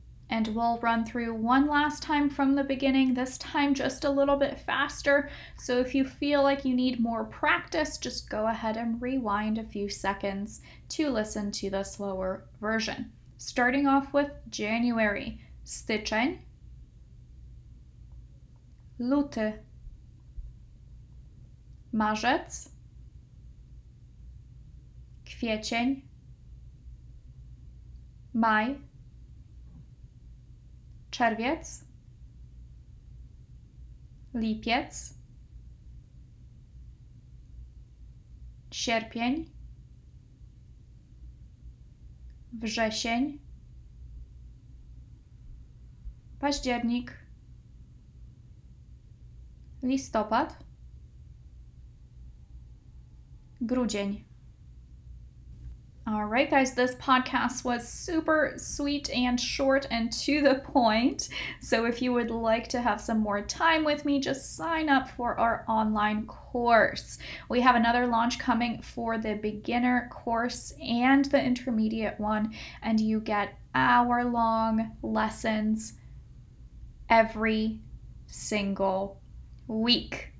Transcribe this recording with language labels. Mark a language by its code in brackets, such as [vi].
[en] And we'll run through one last time from the beginning, this time just a little bit faster. So if you feel like you need more practice, just go ahead and rewind a few seconds to listen to the slower version. Starting off with January, [pl] styczeń, luty, marzec, kwiecień, maj, czerwiec, lipiec, sierpień, wrzesień, październik, listopad, grudzień. [en] All right, guys, this podcast was super sweet and short and to the point. So if you would like to have some more time with me, just sign up for our online course. We have another launch coming for the beginner course and the intermediate one, and you get hour-long lessons every single week.